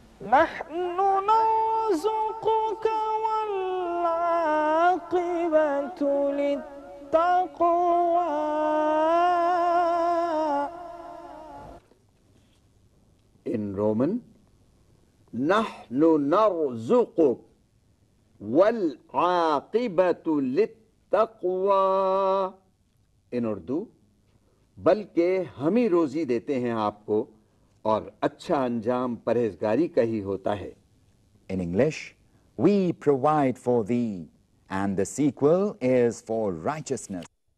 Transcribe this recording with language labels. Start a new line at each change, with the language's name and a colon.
Arabic: نحن نرزقك والعاقبة للتقوى
English: In Roman
Arabic: نحن نرزقك والعاقبة للتقوى
English: in Urdu,
Urdu: بلکہ ہم ہی روزی دیتے ہیں آپ کو اور اچھا انجام پرہیزگاری کا ہی ہوتا ہے.
English: In English, we provide for thee and the sequel is for righteousness.